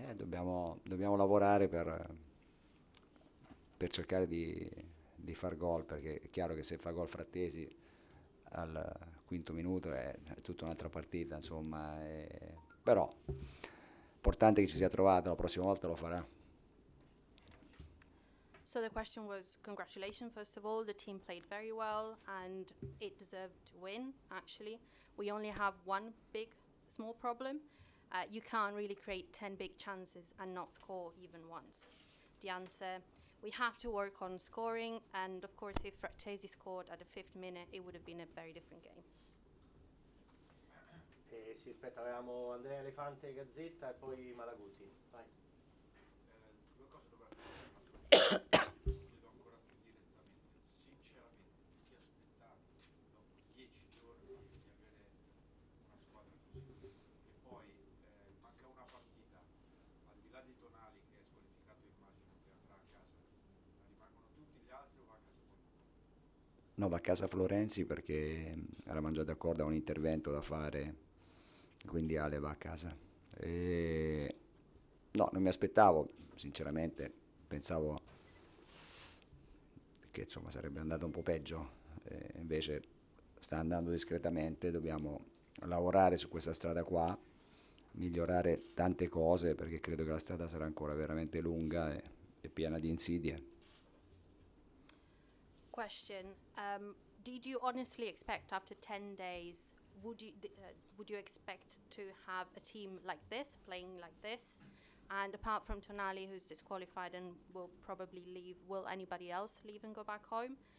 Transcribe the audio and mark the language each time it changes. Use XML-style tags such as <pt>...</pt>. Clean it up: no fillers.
<it>Dobbiamo lavorare per cercare di far gol, perché è chiaro che se fa gol Frattesi al quinto minuto è tutta un'altra partita, insomma, però importante che ci sia trovato, la prossima volta lo farà.</it> <en>So the question was, congratulations first of all, the team played very well and it deserved to win actually. We only have one big small problem. You can't really create 10 big chances and not score even once. The answer, we have to work on scoring, and of course if Frattesi scored at the fifth minute it would have been a very different game.</en> <it>Si aspetta, avevamo Andrea Elefante, Gazzetta e poi Malaguti. Vai. Due cose dovrà ancora più direttamente. Sinceramente, ti aspettavi dopo 10 giorni di avere una squadra così? E poi manca una partita, al di là di Tonali che è squalificato, immagino che andrà a casa. Ma rimangono tutti gli altri o va a casa qualcuno? No, va a casa Florenzi, perché eravamo già d'accordo a un intervento da fare. Quindi Ale va a casa. E no, non mi aspettavo, sinceramente, pensavo che insomma sarebbe andato un po' peggio, invece sta andando discretamente, dobbiamo lavorare su questa strada qua, migliorare tante cose, perché credo che la strada sarà ancora veramente lunga e piena di insidie.</it> <en>Question. Did you honestly expect after 10 days would you expect to have a team like this, playing like this? And apart from Tonali, who's disqualified and will probably leave, will anybody else leave and go back home?</en>